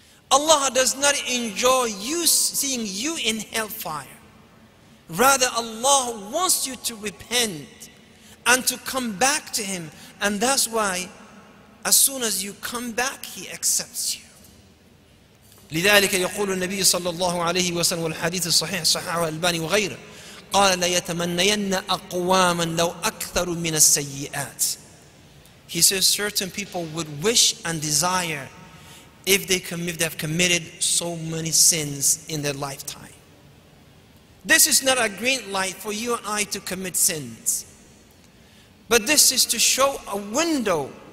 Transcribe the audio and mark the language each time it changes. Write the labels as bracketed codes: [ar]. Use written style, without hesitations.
[en] Allah does not enjoy you seeing you in hellfire. Rather, Allah wants you to repent and to come back to Him. And that's why, as soon as you come back, He accepts you. [ar] لذلك يقول النبي صلى الله عليه وسلم والحديث الصحيح صحيح الألباني وغيره قال ليتمنين أقواما لو أكثر من السيئات. [en] He says certain people would wish and desire if they have committed so many sins in their lifetime. This is not a green light for you and I to commit sins. But this is to show a window